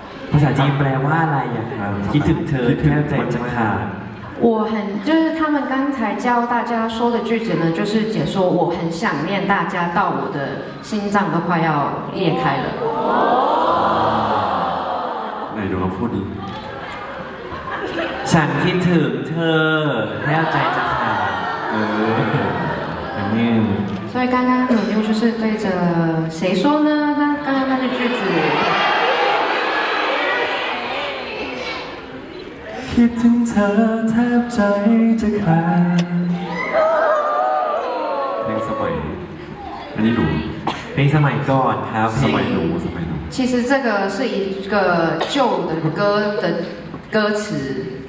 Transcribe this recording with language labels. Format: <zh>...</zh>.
<th>ภาษาจีนแปลว่าอะไรอ่ะครับคิดถึงเธอแทบใจจะขาด</th> <zh>我很就是他们刚才教大家说的句子呢就是解说我很想念大家到我的心脏都快要裂开了那你怎么说的</zh> <th>ฉันคิดถึงเธอแทบใจจะขาด เออ amen</th> <zh>所以刚刚有就是对着谁说呢那刚刚那个句子</zh> <th>คิดถึงเธอแทบใจจะขาดเพลงสมัยอันนี้หนู เพลงสมัยก่อนครับ สมัยหนู</th> <zh>其实这个是一个旧的歌的歌词</zh>